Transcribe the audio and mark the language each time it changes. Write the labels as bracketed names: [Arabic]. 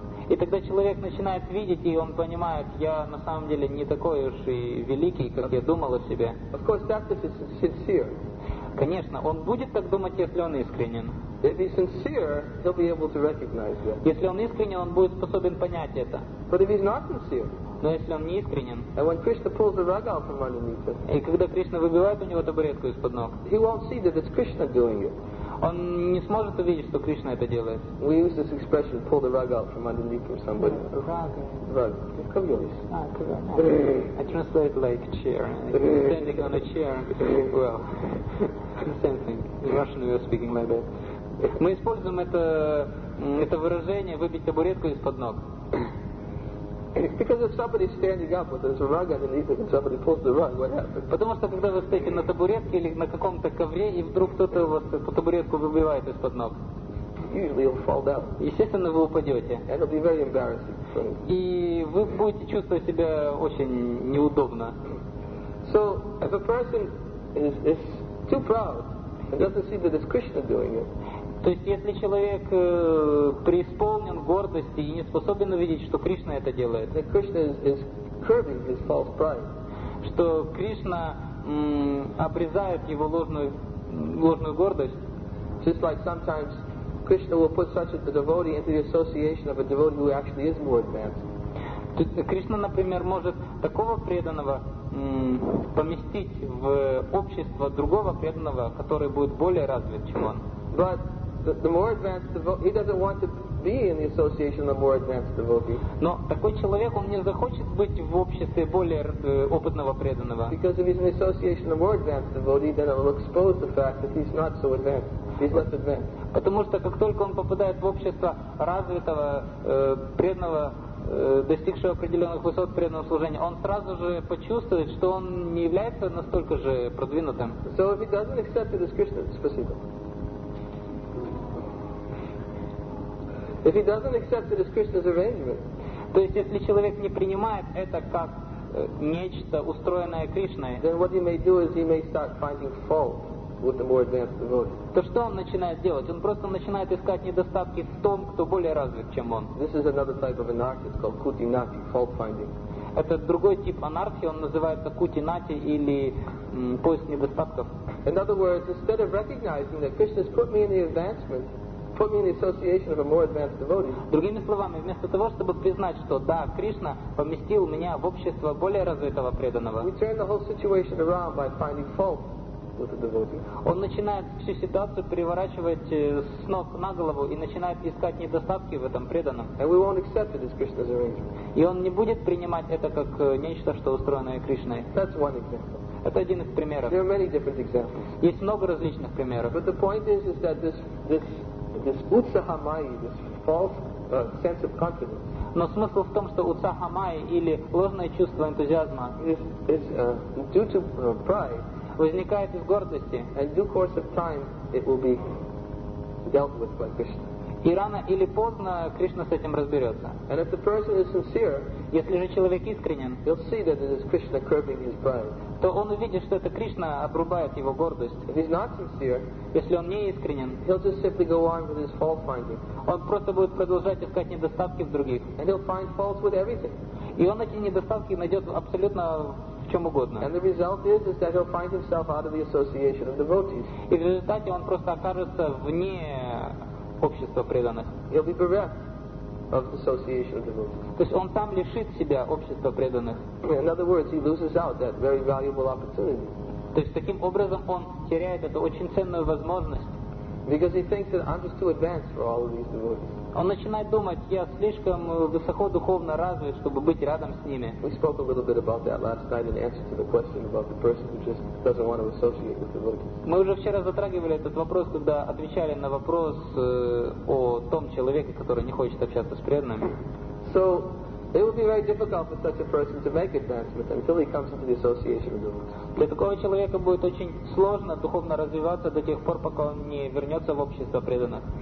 [Russian] И тогда человек начинает видеть, и он понимает, я на самом деле не такой уж и великий, как я думал о себе. [English] Of course, that's if he's sincere. [Russian] Конечно, он будет так думать, если он искренен. [English] If he's sincere, he'll be able to recognize that. [Russian] Если он искренен, он будет способен понять это. [English] But if he's not sincere. [Russian] Но если он не искренен, [English] and when Krishna pulls the rug out from underneath him, [Russian] и когда Кришна выбивает у него табуретку из-под ног, [English] he won't see that it's Krishna doing it. [Russian] Он не сможет увидеть, что Кришна это делает. [English] We use this expression, pull the rug out from underneath from somebody. Rug. Come here. I translate like chair. Standing on a chair. Well, same thing. In Russian we are speaking like that. [Russian] Мы используем это выражение, выбить табуретку из-под ног. [English] Because if somebody's standing up with a rug underneath it and somebody pulls the rug, what happens? [Russian] Потому что когда вы стоите на табуретке или на каком-то ковре и вдруг кто-то у вас по табуретку выбивает из-под ног. [English] Usually you'll fall down. [Russian] Естественно, вы упадете. [English] And it'll be very embarrassing. [Russian] И вы будете чувствовать себя очень неудобно. [English] So if a person is too proud and doesn't see that it's Krishna doing it. [Russian] То есть, если человек преисполнен гордости и не способен увидеть, что Кришна это делает, [English] that Krishna is curbing his false pride. [Russian] Что Кришна обрезает его ложную гордость, [English] just like sometimes Krishna will put such a devotee into the association of a devotee who actually is more advanced. [Russian] Кришна, например, может такого преданного поместить в общество другого преданного, который будет более развит, чем он. [English] The more advanced devotee, he doesn't want to be in the association of the more advanced devotee. [Russian] Но такой человек он не захочет быть в обществе более опытного преданного. [English] Because if he's in the association of the more advanced devotee, then it will expose the fact that he's not so advanced. He's less advanced. [Russian] Потому что как только он попадает в общество развитого преданного, достигшего определенных высот преданного служения, он сразу же почувствует, что он не является настолько же продвинутым. [English] So if he doesn't accept it as Krishna, [Russian] спасибо. [English] If he doesn't accept it as Krishna's arrangement, [Russian] то есть если человек не принимает это как нечто устроенное Кришной, [English] then what he may do is he may start finding fault with the more advanced devotee. [Russian] То что он начинает делать? Он просто начинает искать недостатки в том, кто более развит, чем он. [English] This is another type of anarchy. It's called kutinati, fault finding. [Russian] Это другой тип анархии. Он называется кутинати или поиск недостатков. [English] In other words, instead of recognizing that Krishna's put me in the advancement. Put me in the association of a more advanced devotee. [Russian] Другими словами, вместо того, чтобы признать, что да, Кришна поместил меня в общество более развитого преданного, [English] we turn the whole situation around by finding fault with the devotee. [Russian] Он начинает всю ситуацию переворачивать с ног на голову и начинает искать недостатки в этом преданном. [English] And we won't accept it as Krishna's arrangement. [Russian] И он не будет принимать это как нечто, что устроено Кришной. [English] That's one example. [Russian] Это один из примеров. [English] There are many different examples. [Russian] Есть много различных примеров. [English] But the point is that this utsahamai, this false sense of confidence. [Russian] Но смысл в том, что utsahamai или ложное чувство энтузиазма [English] is due to pride. [Russian] Возникает из гордости. [English] And in due course of time, it will be dealt with by Krishna. [Russian] И рано или поздно Кришна с этим разберется. [English] And if the person is sincere, [Russian] Если же человек искренен, [English] he'll see that it is Krishna curbing his pride. [Russian] То он увидит, что это Кришна обрубает его гордость. [English] If he's not sincere, [Russian] если он не искренен, [English] he'll just simply go on with his fault finding. [Russian] Он просто будет продолжать искать недостатки в других. [English] And he'll find fault with everything. [Russian] И он эти недостатки найдет абсолютно в чем угодно. [English] And the result is that he'll find himself out of the association of devotees. [Russian] И в результате он просто окажется вне общества преданных. [English] He'll be bereft of the association of devotees. [Russian] То есть он сам лишит себя общества преданных. [English] In other words, he loses out that very valuable opportunity. [Russian] То есть таким образом он теряет эту очень ценную возможность. [English] Because he thinks that I'm just too advanced for all of these devotees. [Russian] Он начинает думать, я слишком высоко духовно развит, чтобы быть рядом с ними. [English] We spoke a little bit about that last night in answer to the question about the person who just doesn't want to associate with devotees. [Russian] Мы уже вчера затрагивали этот вопрос, когда отвечали на вопрос о том человеке, который не хочет общаться с преданными. [English] So it would be very difficult for such a person to make advancement until he comes into the association with devotees. [Russian] Для такого человека будет очень сложно духовно развиваться до тех пор, пока он не вернется в общество преданных.